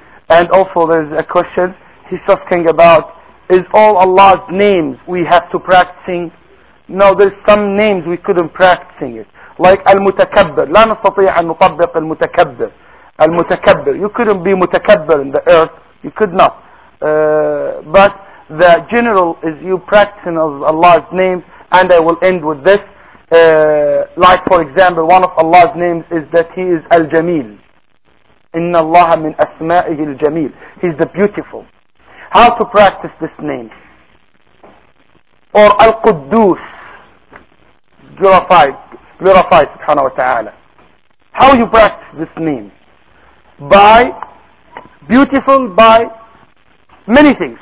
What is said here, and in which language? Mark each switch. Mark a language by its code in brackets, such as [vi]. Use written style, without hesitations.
[en] And also, there's a question. He's asking about: is all Allah's names we have to practicing? No, there's some names we couldn't practicing it. [ar] Like المتكبر لا نستطيع أن نطبق المتكبر المتكبر. [en] You couldn't be متكبر in the earth. You could not. But the general is you practicing of Allah's names. And I will end with this. Like for example, one of Allah's names is that He is الجميل. [ar] إن الله من أسمائه الجميل. [en] He's the beautiful. How to practice this name? Or القدوس. Glorified. Glorify subhanahu wa ta'ala. How you practice this name? By beautiful, by many things.